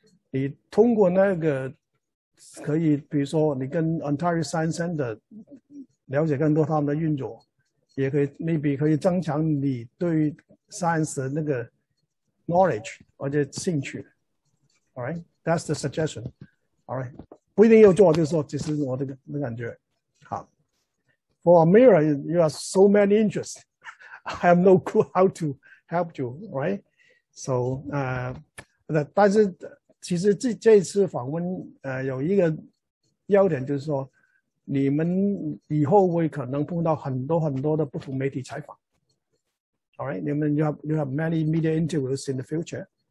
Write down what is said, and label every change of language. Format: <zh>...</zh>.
<zh>你通过那个，可以比如说你跟 Ontario Science Center 了解更多他们的运作，也可以 maybe 可以增强你对 science 的那个 knowledge 或者兴趣。</zh> <en>Alright。 That's the suggestion. All right.</en> <zh>不一定要做，就是说，这是我的感觉。</zh> <en>好。For Amira, you have so many interests. I have no clue how to help you, right?</en> <zh>So, 但是其实这次访问有一个要点，就是说你们以后会可能碰到很多很多的不同媒体采访。</zh> <en>All right. You have many media interviews in the future.</en>